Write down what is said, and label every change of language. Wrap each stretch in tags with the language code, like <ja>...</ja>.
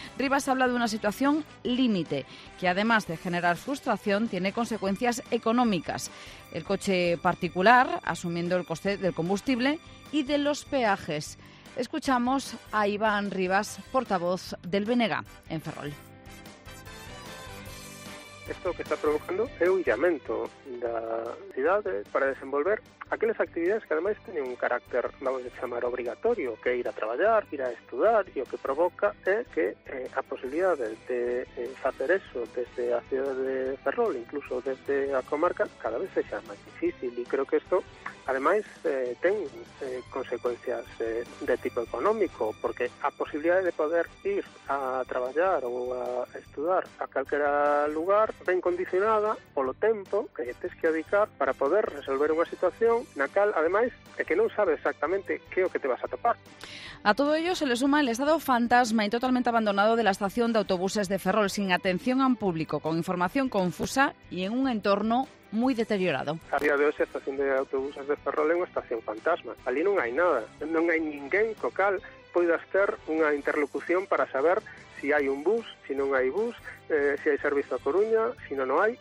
<es>Rivas habla de una situación límite que, además de generar frustración, tiene consecuencias económicas. El coche particular, asumiendo el coste del combustible y de los peajes. Escuchamos a Iván Rivas, portavoz del Benega en Ferrol.</es> <gl>Esto que está provocando es un llamamiento da cidade para desenvolver aquelas actividades que ademais teñen un carácter, vamos a chamar, obrigatorio, que ir a traballar, ir a estudar, e o que provoca é que a posibilidad de facer eso desde a cidade de Ferrol, incluso desde a comarca, cada vez sexa máis difícil, e creo que isto ademais ten consecuencias de tipo económico, porque a posibilidad de poder ir a traballar ou a estudar a calquera lugar ben condicionada polo tempo que tens que dedicar para poder resolver unha situación na cal, ademais, é que non sabes exactamente que é o que te vas a topar.</gl> <es>A todo ello se le suma el estado fantasma y totalmente abandonado de la estación de autobuses de Ferrol, sin atención al público, con información confusa y en un entorno muy deteriorado. A día de hoy, la estación de autobuses de Ferrol es una estación fantasma. Allí no hay nada, no hay ningún cocal pueda hacer una interlocución para saber si hay un bus, si no hay bus, si hay servicio a Coruña, si no, no hay.</es>